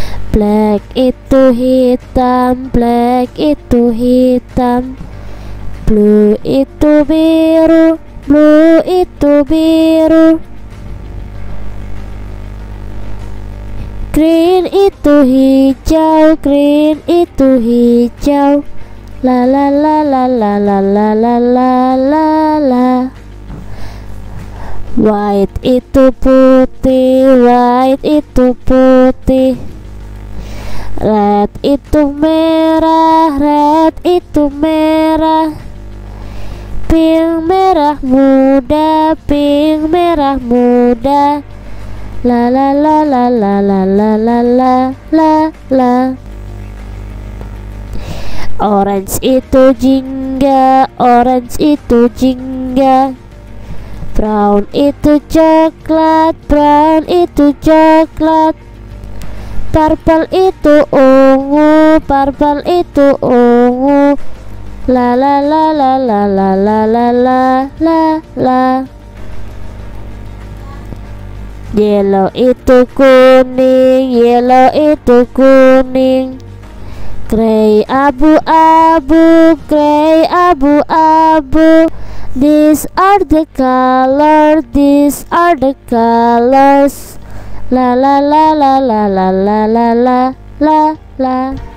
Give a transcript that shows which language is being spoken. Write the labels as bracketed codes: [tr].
[id] Black itu hitam, black itu hitam. Blue itu biru, blue itu biru. Green itu hijau, green itu hijau. La la la la la la la la la la la. White itu putih, white itu putih. Red itu merah, red itu merah. Pink merah muda, pink merah muda. La la la la la la la la la la la. Orange itu jingga, orange itu jingga. Brown itu coklat, brown itu coklat. Purple itu ungu, purple itu ungu. La la la la la la la la la la la. Yellow itu kuning, yellow itu kuning. Gray abu-abu, gray abu-abu. [en] These are the colors, these are the colors. La la la la la la la la la la la.